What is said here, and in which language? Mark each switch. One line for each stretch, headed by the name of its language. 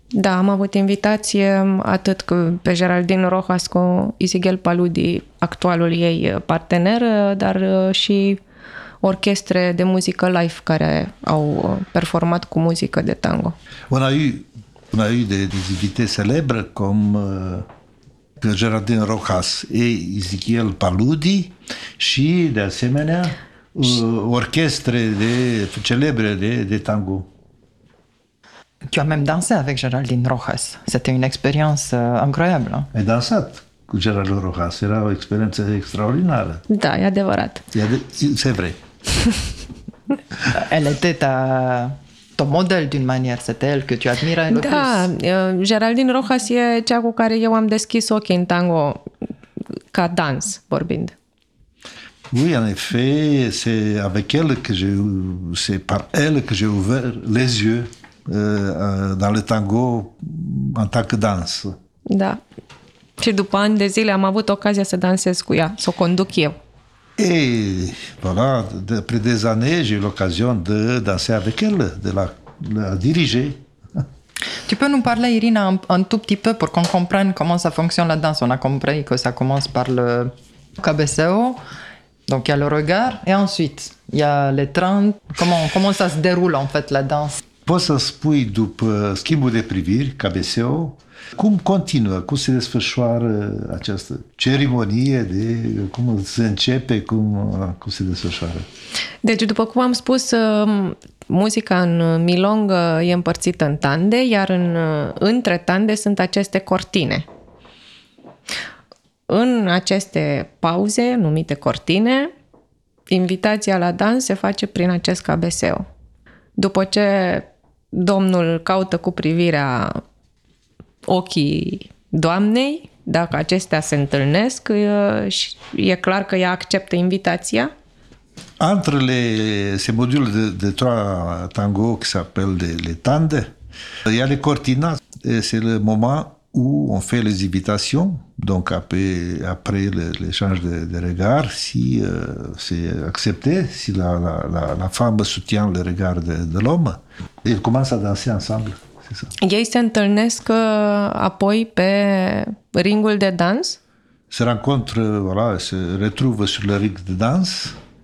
Romanian: Da, am avut invitație atât pe Geraldine Rojas cu Isigel Paludi, actualul ei partener, dar și orchestre de muzică live care au performat cu muzică de tango.
French: On a eu des invités célèbres comme Geraldine Rojas et Ezequiel Paludi
Romanian: și, de asemenea, orchestre
French: célèbre de tango. Tu as même dansé avec Geraldine Rojas. C'était une expérience incroyable.
Romanian: Ai dansat cu Geraldine Rojas. Era o experiență extraordinară. Da, e adevărat.
French: C'est vrai. Elle était à... ton model d'une manière, c'est elle que tu admires le plus.
Romanian: Da, Geraldine Rojas e cea cu care eu am deschis ochii în tango ca dans, vorbind.
French: Oui, en effet, c'est avec elle que c'est par elle que j'ai ouvert les yeux dans le tango en tant que danse.
Romanian: Da. Și după ani de zile am avut ocazia să dansez cu ea, să o conduc eu.
French: Et voilà, après des années, j'ai eu l'occasion de danser avec elle, de la diriger. Tu peux nous parler, Irina, un tout petit peu pour qu'on comprenne comment ça fonctionne la danse. On a compris que ça commence par le cabeceo, donc il y a le regard, et ensuite, il y a les 30. Comment ça se déroule, en fait, la danse?
Romanian: Poți să spui, după schimbul de priviri, cabeceo, cum continuă, cum se desfășoară această ceremonie, de cum se începe, cum se desfășoară? Deci, după cum am spus, muzica în milongă e împărțită în tande, iar între tande sunt aceste cortine. În aceste pauze, numite cortine, invitația la dans se face prin acest cabeseu. După ce domnul caută cu privirea ochii doamnei, dacă acestea se întâlnesc, e clar că ea acceptă invitația.
French: Între ce modul de trois tango qui s'appelle les tandes, il y a les cortinas, c'est le moment où on fait les invitations, donc après l'échange de regards, si c'est accepté, si la femme soutient le regard de l'homme, ils commencent à danser ensemble.
Romanian: Ei se întâlnesc apoi pe ringul de dans.
French: Se rencontre, voilà, se retrouve sur le ring de dans.